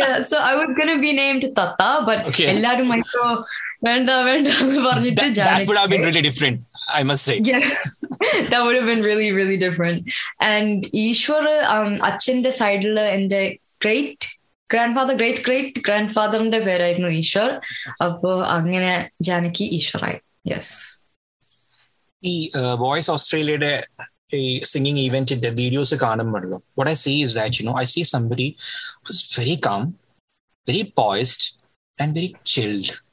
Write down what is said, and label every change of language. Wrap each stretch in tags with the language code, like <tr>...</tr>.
<en>so I would gonna be named Thatha, but</en> <ml>എല്ലാരും മൈക്കോ വേണ്ട വേണ്ട എന്ന് പറഞ്ഞിട്ട് Janaki.</ml> <en>That would have been really different, I must say. Yeah, that would have been really, really different.</en> <ml>And Easwar, അച്ഛന്റെ സൈഡില് എന്റെ great grand father great great grand ഫാദറിന്റെ പേരായിരുന്നു ഈശ്വർ. അപ്പോ അങ്ങനെ ജാനകി ഈശ്വറായി. യെസ്. ഈ വോയിസ് ഓസ്ട്രേലിയയുടെ ഈ singing ഇവന്റിന്റെ videos കാണുമ്പോഴല്ലോ,</ml> <en>What I see is that you know, I see somebody who's very calm, very poised and very chilled.</en>